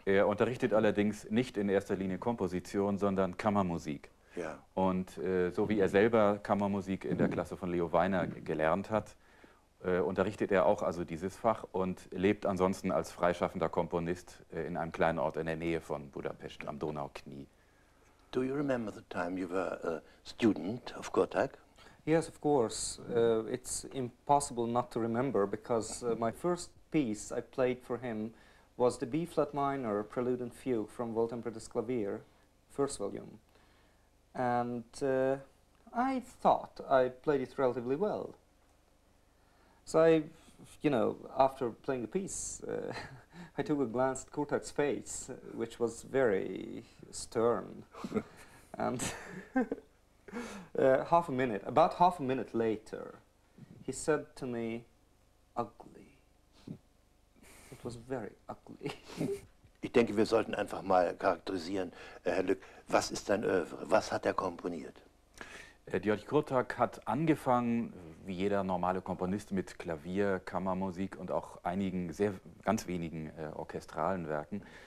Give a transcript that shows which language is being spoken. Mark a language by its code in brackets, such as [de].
[de] Er unterrichtet allerdings nicht in erster Linie Komposition, sondern Kammermusik. Ja. Und so wie er selber Kammermusik in der Klasse von Leo Weiner gelernt hat, unterrichtet er auch also dieses Fach und lebt ansonsten als freischaffender Komponist in einem kleinen Ort in der Nähe von Budapest am Donauknie. [en] Do you remember the time you were a student of Kurtak? Yes, of course. It's impossible not to remember because my first piece I played for him was the B-flat minor Prelude and Fugue from Woltemper des Klavier, first volume. And I thought I played it relatively well. So I, you know, after playing the piece, I took a glance at Kurtak's face, which was very stern. And about half a minute later, he said to me, ugly. It was very ugly. [de] Ich denke, wir sollten einfach mal charakterisieren, Herr Lück, was ist dein Oeuvre? Was hat er komponiert? György Kurtak hat angefangen, wie jeder normale Komponist, mit Klavier, Kammermusik und auch einigen, ganz wenigen orchestralen Werken.